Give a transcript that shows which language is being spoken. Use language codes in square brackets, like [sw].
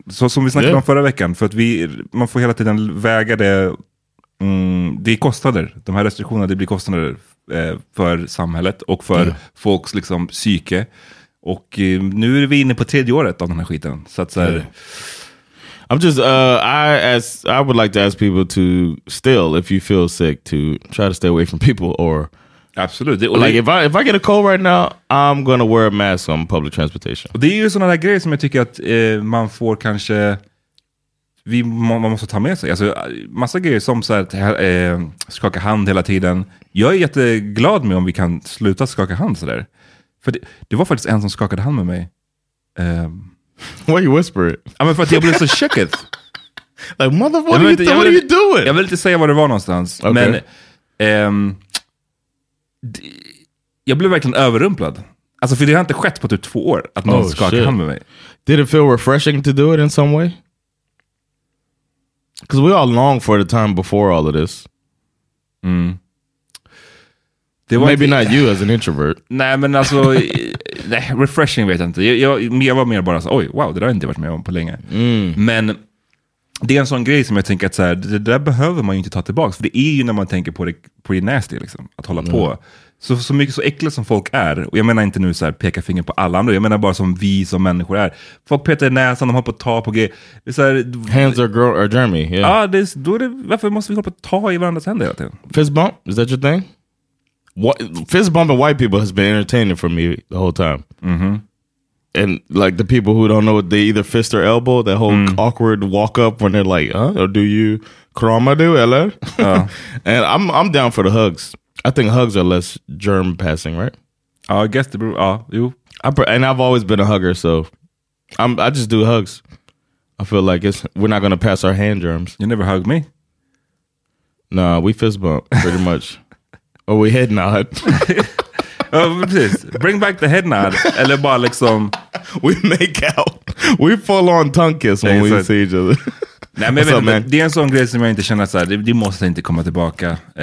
[sv] Så som vi snackade om förra veckan. För att man får hela tiden väga det... det är kostnader. De här restriktionerna, det blir kostnader för samhället och för folks liksom psyke. Och nu är vi inne på tredje året av den här skiten. Så att så här... Yeah. [en] I would like to ask people to still, if you feel sick, to try to stay away from people or... Absolutely. Like, if I get a cold right now, I'm going to wear a mask on public transportation. [sv] Det är ju sådana där grejer som jag tycker att man får kanske... Man måste ta med sig. Alltså, massa grejer som så att skaka hand hela tiden. Jag är jätteglad med om vi kan sluta skaka hand så där. För det var faktiskt en som skakade hand med mig... [en] Why you whisper it? I mean, [sv] för att jag blev så checkad. [en] Like, motherfucker, what are you doing? [sv] Jag vill inte säga vad det var någonstans. Okay. Men jag blev verkligen överrumplad. Alltså, för det har inte skett på typ 2 år att någon skakade hand med mig. [en] Did it feel refreshing to do it in some way? Because we all long for the time before all of this. Mm. [sv] Det var [en] maybe [sv] inte, [en] not you as an introvert. [sv] Nej, men alltså, nej, refreshing vet jag inte. Jag var mer bara så, oj, wow, det har jag inte varit med om på länge. Mm. Men det är en sån grej som jag tänker att så här, det där behöver man ju inte ta tillbaka. För det är ju när man tänker på det [en] pretty nasty, [sv] liksom, att hålla på. Så mycket, så äckligt som folk är, och jag menar inte nu så här, peka finger på alla andra, jag menar bara som vi som människor är. Folk petar i näsan, de har på att ta på grejer. [en] Hands are girl are germy. Yeah. [sv] Ah, varför måste vi hålla på att ta i varandras händer hela tiden? [en] Fist bump, is that your thing? Fist bumping white people has been entertaining for me the whole time. Mm-hmm. And like the people who don't know, they either fist or elbow, that whole awkward walk up when they're like, huh? Or do you [sv] kramadu eller? [en] And I'm down for the hugs. I think hugs are less germ passing, right? I guess the you. And I've always been a hugger, so I just do hugs. I feel like we're not gonna pass our hand germs. You never hug me. Nah, we fist bump pretty much. Or we head nod. Please bring back the head nod. [sv] Eller bara liksom, [en] we make out. We full on tongue kiss when we see each other. [sv] Nej, men vet, det är en sån grej som jag inte känner så här, det måste inte komma tillbaka.